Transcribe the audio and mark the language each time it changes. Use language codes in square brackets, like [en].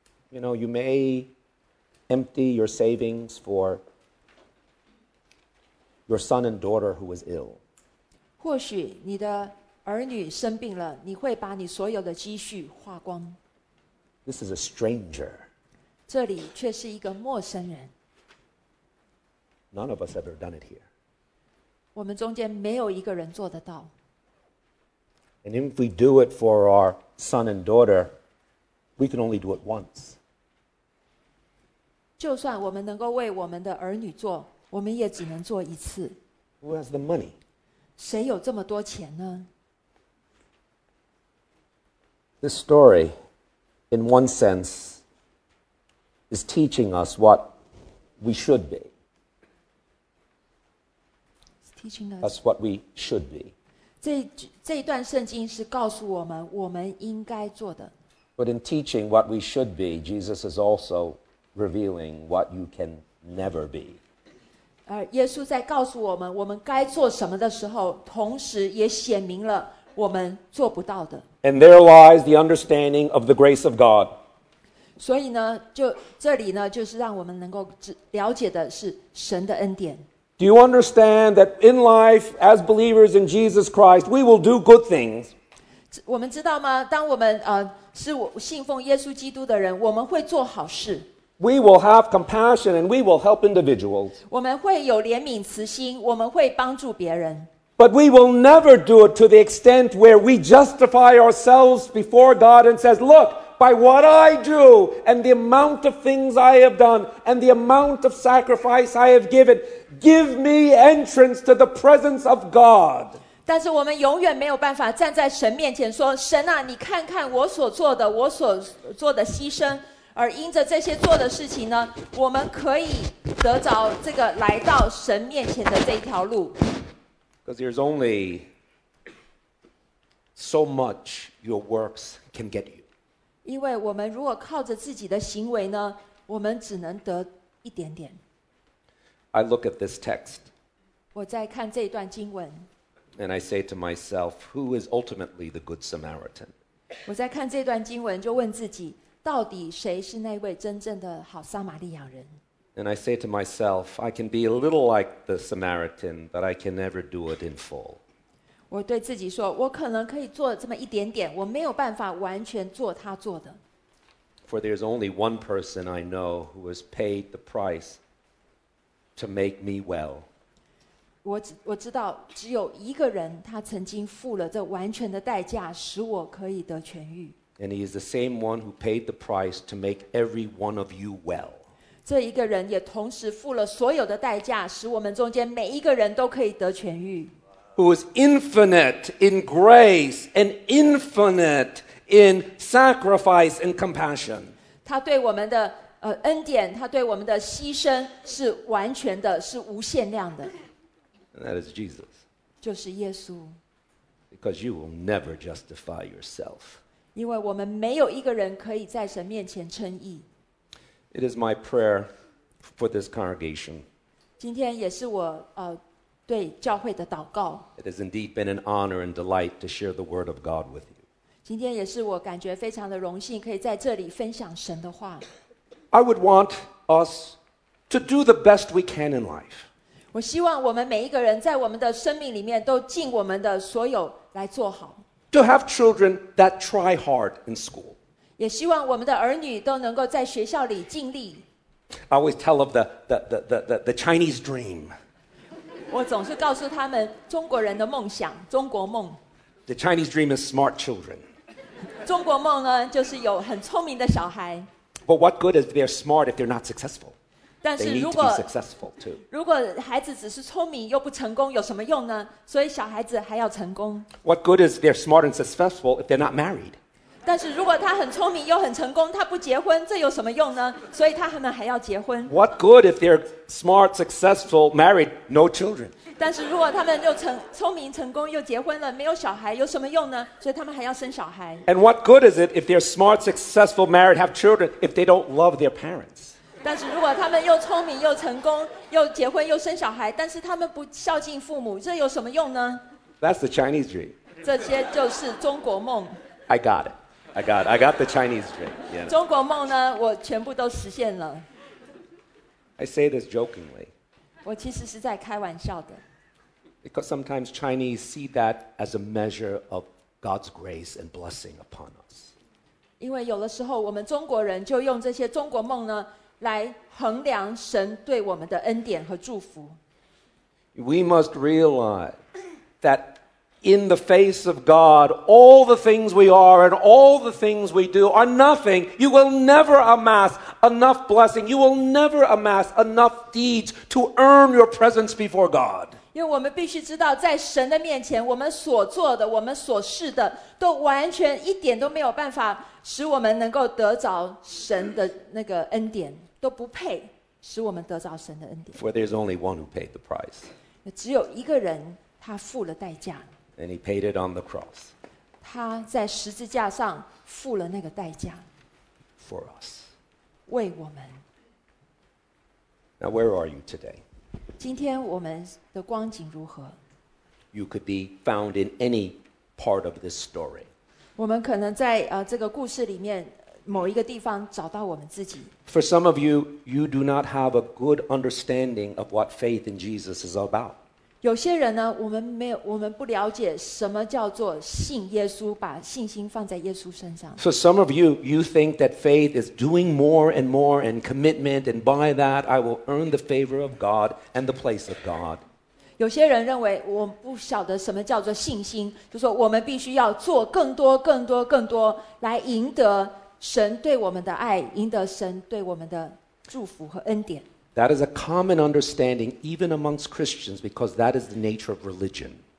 [en] You know, you may empty your savings for your son and daughter who was ill. [zh] 或许你的儿女生病了，你会把你所有的积蓄花光。 [en] This is a stranger. [zh] 这里却是一个陌生人。 [en] None of us ever done it here. [zh] 我们中间没有一个人做得到。 [en] And if we do it for our son and daughter, we can only do it once. [zh] 就算我们能够为我们的儿女做，我们也只能做一次。 [en] Who has the money? [zh] 谁有这么多钱呢？ [en] This story, in one sense,is teaching us what we should be. It's teaching us what we should be. [zh] 这一段圣经是告诉我们我们应该做的。 [en] But in teaching what we should be, Jesus is also revealing what you can never be. [zh] 而耶稣在告诉我们我们该做什么的时候，同时也显明了我们做不到的。 [en] And there lies the understanding of the grace of God. [zh] 所以呢，就这里呢，就是让我们能够了解的是神的恩典。 [en] Do you understand that in life, as believers in Jesus Christ, we will do good things? [zh] 我们知道吗？当我们是信奉耶稣基督的人，我们会做好事。 [en] We will have compassion and we will help individuals. [zh] 我们会有怜悯慈心，我们会帮助别人。 [en] But we will never do it to the extent where we justify ourselves before God and says, look. By what I do, and the amount of things I have done, and the amount of sacrifice I have given, give me entrance to the presence of God. [zh] 但是我们永远没有办法站在神面前说，神啊，你看看我所做的，我所做的牺牲，而因着这些做的事情呢，我们可以得着这个来到神面前的这条路。 [en] Because there's only so much your works can get you. [zh] 因为我们如果靠着自己的行为呢，我们只能得一点点。 [en] I look at this text. [zh] 我在看这段经文。 [en] And I say to myself, who is ultimately the good Samaritan? [zh] 我在看这段经文，就问自己，到底谁是那位真正的好撒玛利亚人？ [en] And I say to myself, I can be a little like the Samaritan, but I can never do it in full. [zh] 我对自己说，我可能可以做这么一点点，我没有办法完全做他做的。 [en] For there is only one person I know who has paid the price to make me well. [zh] 我知道，只有一个人，他曾经付了这完全的代价，使我可以得痊愈。 [en] And he is the same one who paid the price to make every one of you well. [zh] 这一个人也同时付了所有的代价，使我们中间每一个人都可以得痊愈。 [en] Who is infinite in grace and infinite in sacrifice and compassion. [zh] 他对我们的恩典，他对我们的牺牲是完全的，是无限量的。 [en] And that is Jesus. [zh] 就是耶稣。 [en] Because you will never justify yourself. [zh] 因为我们没有一个人可以在神面前称义。 [en] It is my prayer for this congregation. [zh] 今天也是我对教会的祷告。 [en] It has indeed been an honor and delight to share the word of God with you. [zh] 今天也是我感觉非常的荣幸可以在这里分享神的话。 [en] I would want us to do the best we can in life. [zh] 我希望我们每一个人在我们的生命里面都尽我们的所有来做好。 [en] To have children that try hard in school. [zh] 也希望我们的儿女都能够在学校里尽力。 [en] I always tell of the Chinese dream. [zh] 我总是告诉他们中国人的梦想，中国梦。 [en] The Chinese dream is smart children. [zh] 中国梦呢，就是有很聪明的小孩。 [en] But what good is they're smart if they're not successful? [zh] 但是如果 [en] successful too. [zh] 如果孩子只是聪明又不成功有什么用呢所以小孩子还要成功 [en] What good is they're smart and successful if they're not married? [zh] 但是如果他很聪明又很成功他不结婚这有什么用呢所以他们还要结婚 [en] What good if they're smart, successful, married, no children? [zh] 但是如果他们又聪明成功又结婚了没有小孩有什么用呢所以他们还要生小孩 [en] And what good is it if they're smart, successful, married, have children if they don't love their parents? [zh] 但是如果他们又聪明又成功又结婚又生小孩但是他们不孝敬父母这有什么用呢 [en] That's the Chinese dream. [zh] 这些就是中国梦。 [en] I got it. I got it. I got the Chinese dream. Yeah. [zh] 中国梦呢我全部都实现了。 [en] I say this jokingly. [zh] 我其实是在开玩笑的。 [en] Because sometimes Chinese see that as a measure of God's grace and blessing upon us. [zh] 因为有的时候我们中国人就用这些中国梦呢来衡量神对我们的恩典和祝福。 [en] We must realize that in the face of God, all the things we are and all the things we do are nothing. You will never amass enough blessing. You will never amass enough deeds to earn your presence before God. [zh] 因为我们必须知道，在神的面前，我们所做的、我们所事的，都完全一点都没有办法使我们能够得着神的那个恩典。都不配使我们得着神的恩典。 [en] For there's only one who paid the price. [zh] 只有一个人他付了代价。 [en] And he paid it on the cross. [zh] 他在十字架上付了那个代价。 [en] For us. [zh] 为我们。 [en] Now where are you today? [zh] 今天我们的光景如何? [en] You could be found in any part of this story. [zh] 我们可能在这个故事里面某一个地方找到我们自己。 [en] For some of you, you do not have a good understanding of what faith in Jesus is about. [zh] 有些人呢，我们不了解什么叫做信耶稣，把信心放在耶稣身上。 [en] For some of you, you think that faith is doing more and more and commitment, and by that I will earn the favor of God and the place of God. [zh] 有些人认为我不晓得什么叫做信心，就说我们必须要做更多、更多、更多来赢得。神对我们的爱，赢得神对我们的祝福和恩典。 [en] That is a common understanding even amongst Christians because that is the nature of religion.